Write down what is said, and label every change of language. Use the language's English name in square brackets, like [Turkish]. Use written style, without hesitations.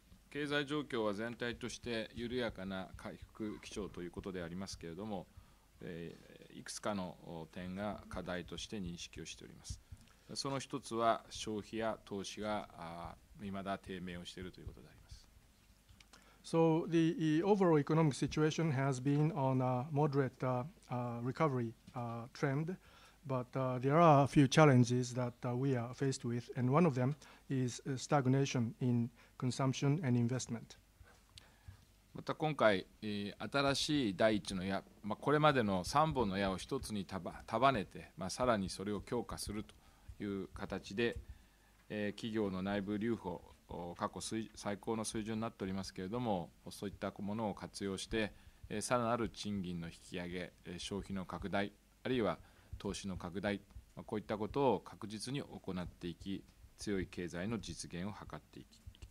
[Japanese] 経済状況は全体として緩やかな回復基調ということでありますけれども、いくつかの点が課題として認識をしております。その一つは消費や投資が未だ低迷をしているということであります。 [English] So the overall economic situation has been on a moderate recovery trend, but there are a few challenges that we are faced with, and one of them is stagnation inconsumption and investment. [Japanese] また今回、新しい第一の矢、まあ、これまでの3本の矢を1つに束ねて、まあ、さらにそれを強化するという形で、企業の内部留保、過去最高の水準になっておりますけれども、そういったものを活用して、さらなる賃金の引き上げ、消費の拡大、あるいは投資の拡大、まあ、こういったことを確実に行っていき、強い経済の実現を図っていき、